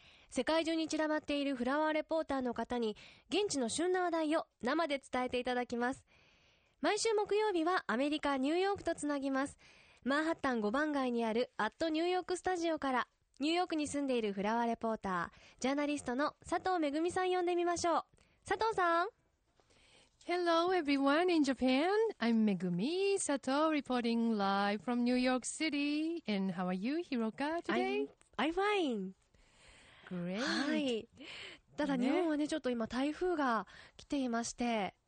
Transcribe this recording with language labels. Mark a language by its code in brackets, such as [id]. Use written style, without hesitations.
[ja] 世界中に散らばっているフラワーレポーターの方に現地の旬な話題を生で伝えていただきます。毎週木曜日はアメリカニューヨークとつなぎます。マンハッタン5番街にあるアットニューヨークスタジオから、ニューヨークに住んでいるフラワーレポータージャーナリストの佐藤めぐみさん呼んでみましょう。佐藤さん。 [en] Hello everyone in Japan. I'm Megumi Sato reporting live from New York City. And how are you, Hiroka, today? I'm fine. Great. [ja] はい。ただ日本はね、ちょっと今台風が来ていまして。